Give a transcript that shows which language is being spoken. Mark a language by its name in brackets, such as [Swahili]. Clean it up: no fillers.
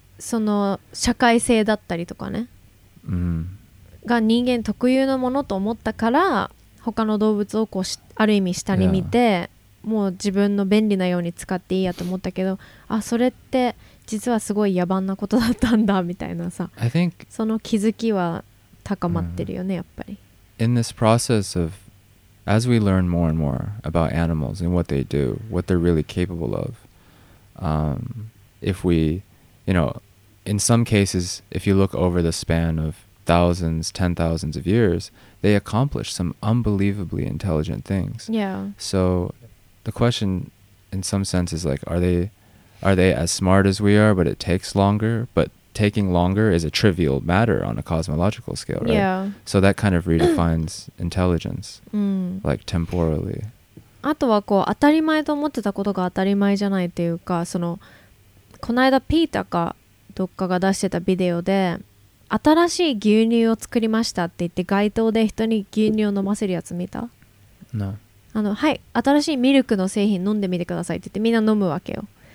[Japanese] その社会性だったりとかね、が人間特有のものと思ったから。他の動物をこうある意味下に見て、もう自分の便利なように使っていいやと思ったけど、あ、それって実はすごい野蛮なことだったんだみたいなさ。 [English] I think [Japanese] その気づきは高まってるよね、やっぱり。 [English] In this process of As we learn more and more about animals and what they do, what they're really capable of, if we, you know, in some cases, if you look over the span of thousands, ten thousands of years, they accomplish some unbelievably intelligent things. Yeah. So the question in some sense is like, are they as smart as we are, but it takes longer? But taking longer is a trivial matter on a cosmological scale, right? Yeah. So that kind of redefines intelligence, like temporally. [Japanese] あとはこう当たり前と思ってたことが当たり前じゃないっていうか、そのこの間ピーターかどっかが出してたビデオで、新しい牛乳を作りましたって言って街頭で人に牛乳を飲ませるやつ見た？ [English] No. [Japanese] あの、はい、新しいミルクの製品飲んでみてくださいって言ってみんな飲むわけよ。